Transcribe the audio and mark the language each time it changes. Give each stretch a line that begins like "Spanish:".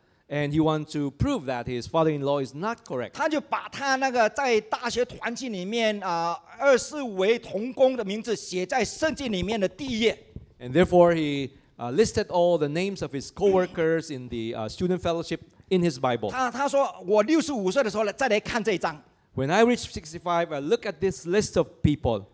English: And he wants to prove that his father-in-law is not correct.
Chinese: 他就把他那个在大学团契里面, 24位同工的名字写在圣经里面的第一页。
English: And therefore he listed all the names of his co-workers in the student fellowship in his Bible.
Chinese: 他说我65岁的时候再来看这一章。
English: When I reach 65, I look at this list of people.